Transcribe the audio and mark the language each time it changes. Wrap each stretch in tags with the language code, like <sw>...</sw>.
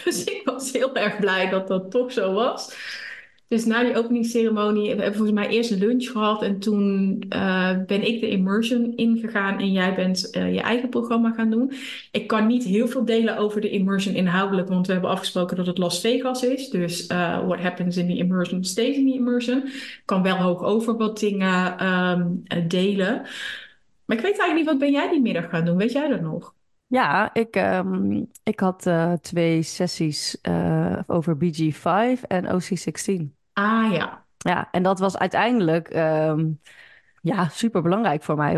<nl>Dus ik was heel erg blij dat dat toch zo was. Dus na die openingsceremonie hebben we volgens mij eerst lunch gehad. En toen ben ik de immersion ingegaan en jij bent je eigen programma gaan doen. Ik kan niet heel veel delen over de immersion inhoudelijk, want we hebben afgesproken dat het Las Vegas is. Dus</nl> <en>what happens in the immersion stays in the immersion.</en> <nl>Ik kan wel hoog over wat dingen delen. Maar ik weet eigenlijk niet, wat ben jij die middag gaan doen? Weet jij dat nog? Ja, ik had twee sessies over BG5 en OC16. Ah ja. Ja, en dat was uiteindelijk ja, super belangrijk voor mij.</nl>